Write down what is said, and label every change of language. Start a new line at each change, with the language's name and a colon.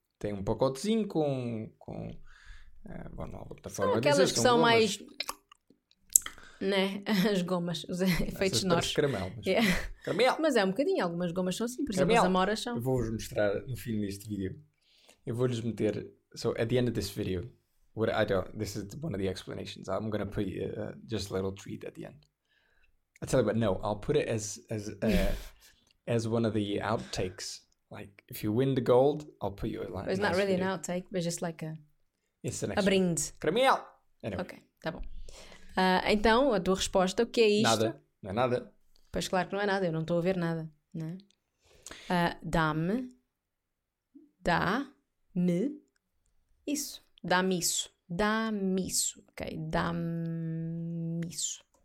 Portuguese: Tem um pacotezinho com bom, não, outra forma de dizer, são aquelas que são gomas. Mais... Né? As gomas, os efeitos sonoros. Caramelo. Mas é um bocadinho, algumas gomas são assim, por caramel. Exemplo, as amoras são. Eu vou-vos mostrar no fim deste vídeo. Eu vou-lhes meter.
English: So, at the end of this video, this is one of the explanations. I'm going to put just a little treat at the end. I'll tell you what, no, I'll put it as one of the outtakes. Like, if you win the gold, I'll put you a line. It's not really an outtake, but just like a. It's an
Portuguese: a brinde.
English: Caramel!
Portuguese: Anyway. Ok, tá bom. Então, a tua resposta, o que é isto? Nada, não é nada. Pois claro que não é nada, eu não estou a ver nada, né? Dá-me, dá-me, isso, dá-me isso, dá-me isso, ok, dá-me isso.